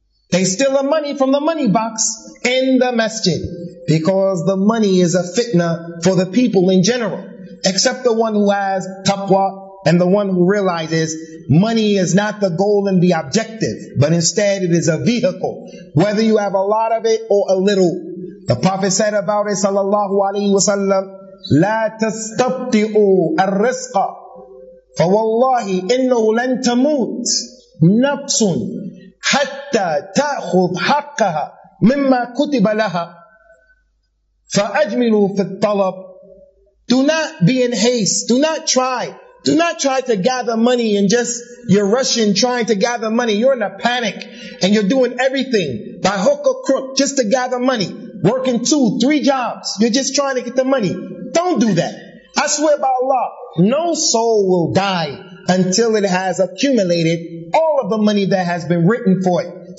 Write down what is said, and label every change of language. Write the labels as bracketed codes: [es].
[en] They steal the money from the money box in the masjid, because the money is a fitna for the people in general, except the one who has taqwa and the one who realizes money is not the goal and the objective, but instead it is a vehicle, whether you have a lot of it or a little. The Prophet said about it, sallallahu alayhi wa sallam, [ar] لَا تَسْتَبْتِعُوا الرِّزْقَ فَوَاللَّهِ إِنَّهُ لَنْ تَمُوتْ نَفْسٌ حَتَّى تَأْخُذْ حَقَّهَا مِمَّا كُتِبَ لَهَا فَأَجْمِلُوا فِي الطَّلَبِ. [en] Do not be in haste. Do not try. Do not try to gather money and just, you're rushing trying to gather money. You're in a panic and you're doing everything by hook or crook just to gather money. Working 2-3 jobs. You're just trying to get the money. Don't do that. I swear by Allah, no soul will die until it has accumulated all of the money that has been written for it.